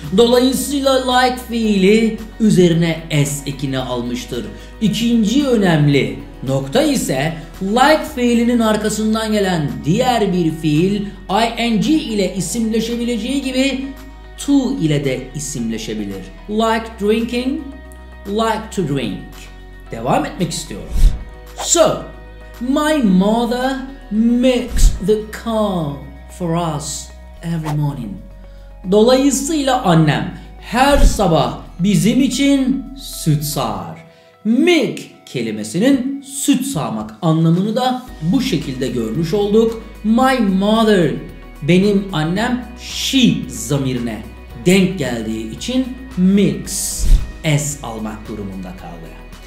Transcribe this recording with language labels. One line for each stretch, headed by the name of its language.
Turkish: Dolayısıyla like fiili üzerine s ekini almıştır. İkinci önemli nokta ise like fiilinin arkasından gelen diğer bir fiil ing ile isimleşebileceği gibi to ile de isimleşebilir.
English: Like drinking, like to drink.
Turkish: Devam etmek istiyorum.
English: So, my mother makes the cold for us every morning.
Turkish: Dolayısıyla annem her sabah bizim için süt sağar. Milk kelimesinin süt sağmak anlamını da bu şekilde görmüş olduk.
English: My mother,
Turkish: benim annem, she zamirine denk geldiği için makes s almak durumunda kaldı.